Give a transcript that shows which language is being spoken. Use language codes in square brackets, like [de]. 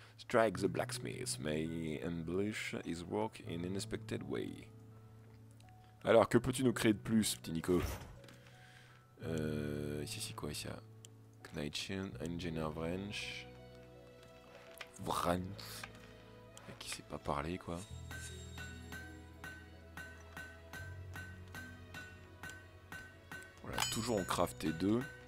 [en] Strike the blacksmith, may embellish his work in an unexpected way. [fr] Alors, que peux-tu nous créer de plus, petit Nico? Ici, c'est quoi, ici? Knightchen, Engineer Wrench. [en] Wrench. [fr] Qui sait pas parler, quoi. Voilà, toujours on craft T2.